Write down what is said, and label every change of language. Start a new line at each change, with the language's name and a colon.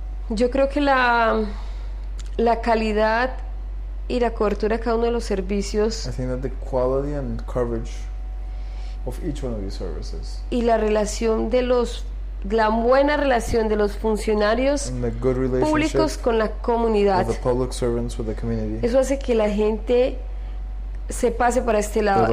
Spanish: Yo creo que la calidad y la cobertura de cada uno de los servicios.
English: I think that the quality and coverage of each one of these services.
Spanish: Y la relación de los, la buena relación de los funcionarios públicos con la comunidad.
English: Of the public servants with the community.
Spanish: Eso hace que la gente se pase para este lado.